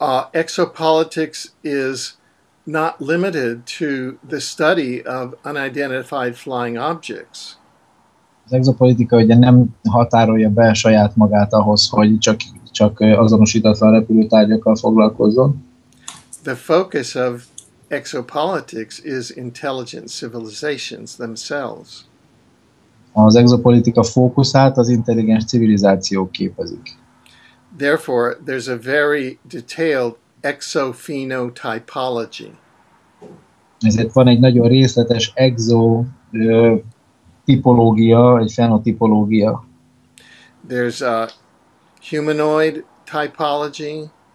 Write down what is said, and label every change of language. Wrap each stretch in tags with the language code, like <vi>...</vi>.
<en>Exopolitics is not limited to the study of unidentified flying objects.</en> <hu>Az exopolitika ugye nem határolja be saját magát ahhoz, hogy csak azonosítatlan repülőtárgyakkal foglalkozzon.</hu> <en>The focus of exopolitics is intelligent civilizations themselves.</en> <hu>Az exopolitika fókuszát az intelligens civilizációk képezik.</hu> <en>Therefore, there's a very detailed exophenotypology.</en> <hu>Ezért van egy nagyon részletes exotipológia, egy fenotipológia.</hu> <en>There's a humanoid typology.</en>